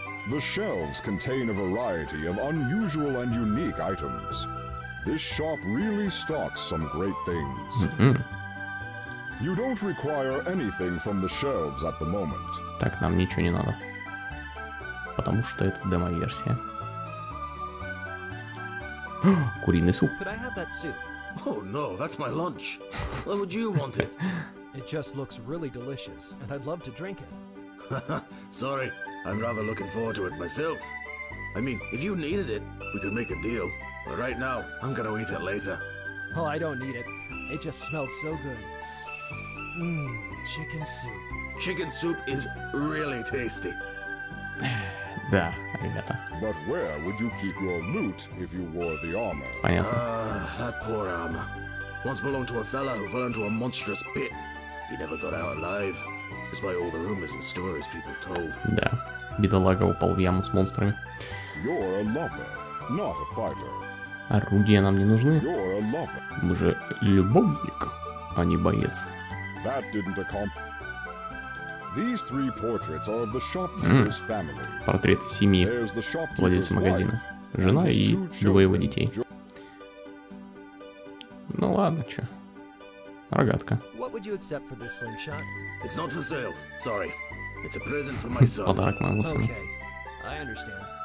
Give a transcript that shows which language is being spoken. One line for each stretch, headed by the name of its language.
English: The shelves contain a variety of unusual and unique items. This shop really stocks some great things. Mm-hmm. You don't require anything from the shelves at the moment.
Russian: Так, нам ничего не надо. Потому что это демо-версия. Куриный суп.
English: Could I have that soup? Oh no, that's my lunch. Why would you want it? It just looks really delicious, and I'd love to drink it. Sorry. I'm rather looking forward to it myself. I mean, if you needed it, we could make a deal. But right now, I'm gonna eat it later. Oh, I don't need it. It just smelled so good. Mmm, chicken soup. Chicken soup is really tasty.
Russian: Да, ребята.
English: But where would you keep your loot if you wore the armor?
Russian: Понятно.
English: That poor armor. Once belonged to a fella who fell into a monstrous pit. He never got out alive. It's why all the rumors and stories people told.
Russian: Да, бедолага упал в яму с монстрами.
English: You're a lover, not a fighter.
Russian: Орудия нам не нужны.
English: You're a lover.
Russian: Мы же любовник, а не боец.
English: That didn't These three portraits are of the shopkeeper's family.
Russian: Портреты семьи владельца магазина. Жена и двое его детей. Ну ладно, чё. Рогатка.
English: What would you accept for this slingshot? It's not for sale. Sorry. It's a present for my son.
Russian: Подарок моему сыну.
English: Okay. I understand.